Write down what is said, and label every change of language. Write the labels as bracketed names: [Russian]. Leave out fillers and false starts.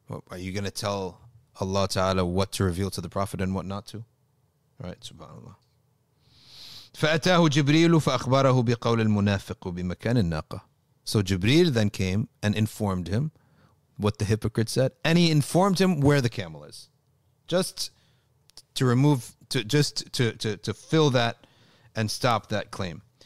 [English] Are you going to tell Allah Ta'ala what to reveal to the Prophet and what not to? Right, subhanAllah. [Arabic] فأتاه جبريل فأخبره بقول المنافق بمكان الناقة. [English] So Jibreel then came and informed him what the hypocrite said, and he informed him where the camel is, just to remove, to fill that and stop that claim.